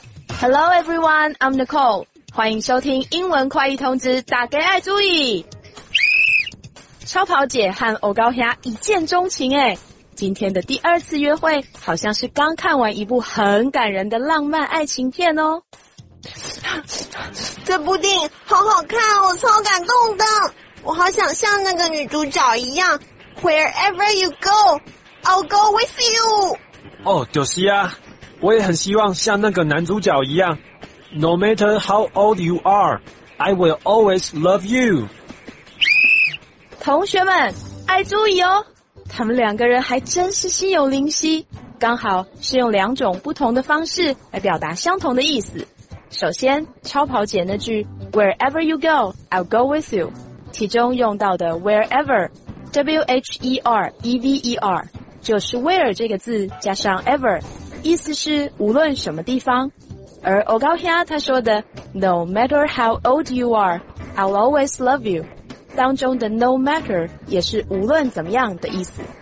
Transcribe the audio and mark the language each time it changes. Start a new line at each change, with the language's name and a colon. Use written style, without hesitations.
English: Hello everyone, I'm Nicole.
Chinese: 欢迎收听英文快译通知打给爱注意。超跑姐和欧高侠一见钟情诶。今天的第二次约会好像是刚看完一部很感人的浪漫爱情片哦。这部电影好好看哦，超感动的。我好想像那个女主角一样 ,
English: wherever you go, I'll go with you.
Chinese: 哦，就是啊。我也很希望像那个男主角一样
English: No matter how old you are, I will always love you.
Chinese: 同学们，爱注意哦，他们两个人还真是心有灵犀，刚好是用两种不同的方式来表达相同的意思。首先，超跑姐那句
English: Wherever you go, I'll go with you,
Chinese: 其中用到的 wherever, W-H-E-R-E-V-E-R, 就是 where 这个字加上 ever,意思是无论什么地方，而欧高虾他说的
English: No matter how old you are, I'll always love you
Chinese: 当中的 no matter 也是无论怎么样的意思。